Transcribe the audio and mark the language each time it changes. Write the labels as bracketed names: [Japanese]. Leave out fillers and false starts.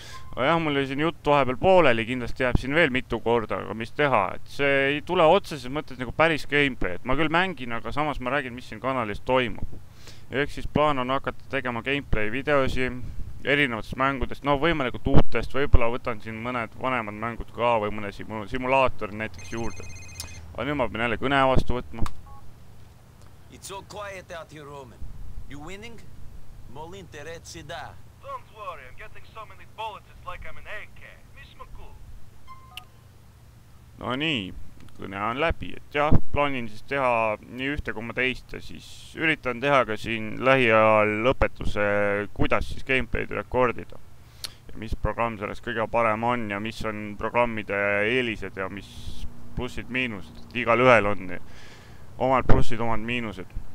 [Estonian] Aga jah, mul oli siin jutt vahepeal pooleli, kindlasti jääb siin veel mitu korda, aga mis teha, et see ei tule otseses mõttes nagu päris gameplay, et ma küll mängin, aga samas ma räägin, mis siin kanalis toimub. Eks siis plaan on hakata tegema gameplay videosi erinevatest mängudest, no võimalikult uutest, võibolla võtan siin mõned vanemad mängud ka või mõne simulaator näiteks juurde. Aga nüüd ma pean jälle kõne vastu võtma. [English] It's so quiet out here, Roman. You winning? Mol interesse da. Don't worry, I'm getting so many bullets, it's like I'm an AK. [Estonian] Mis ma cool? No nii, kõne on läbi, et jah, plaanin siis teha nii ühte kui ma teiste, siis üritan teha ka siin lähiajal lõpetuse, kuidas siis gameplayd rekordida. Ja mis programm selles kõige parem on ja mis on programmide eelised ja mis plussid miinused, et igal ühel on omad plussid, omad miinused.